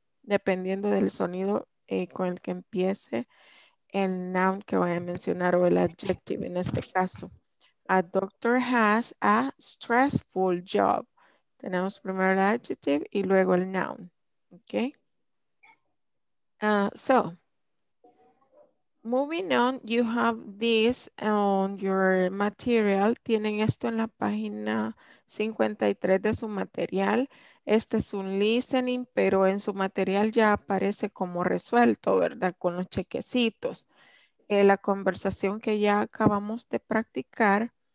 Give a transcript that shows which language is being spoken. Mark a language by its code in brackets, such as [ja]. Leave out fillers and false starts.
[es] Dependiendo del sonido con el que empiece el noun que voy a mencionar o el adjective en este caso. [en] A doctor has a stressful job. [es] Tenemos primero el adjective y luego el noun, ¿ok? [en] So, moving on, you have this on your material. [es] Tienen esto en la página 53 de su material. Este es un listening, pero en su material ya aparece como resuelto, ¿verdad? Con los chequecitos. La conversación que ya acabamos de practicar.